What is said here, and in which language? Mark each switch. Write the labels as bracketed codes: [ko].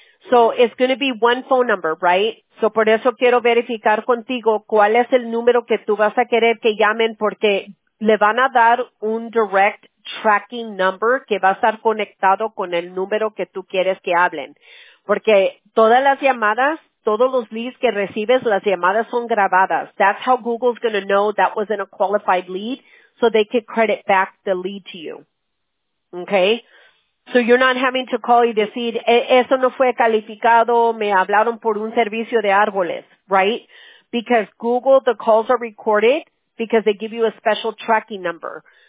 [en] So it's going to be one phone number, right? [es] So por eso quiero verificar contigo cuál es el número que tú vas a querer que llamen porque le van a dar un direct tracking number que va a estar conectado con el número que tú quieres que hablen. Porque todas las llamadas, todos los leads que recibes, las llamadas son grabadas. [en] That's how Google's going to know that wasn't a qualified lead so they could credit back the lead to you. Okay? So you're not having to call [es] y decir, eso no fue calificado, me hablaron por un servicio de árboles, right? [en] Because Google, the calls are recorded because they give you a special tracking number.